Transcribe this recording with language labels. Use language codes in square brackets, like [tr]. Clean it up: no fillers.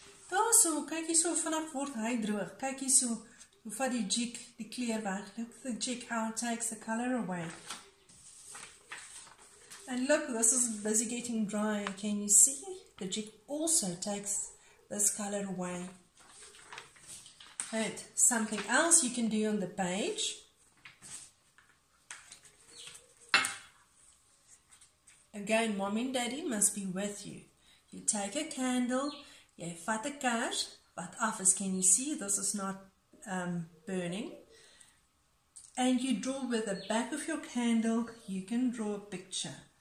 [af] Daar so, kyk hier so, vanaf word hy droog. Kyk hier so. Hoe vat die jig die kleur weg? [en] Look at the jig, how it takes the color away. And look, this is busy getting dry. Can you see? The jig also takes this color away. And something else you can do on the page. Again, mommy and daddy must be with you. You take a candle. [af] Jy vat 'n kers, wat af is, [en] can you see? This is not burning, and you draw with the back of your candle, you can draw a picture.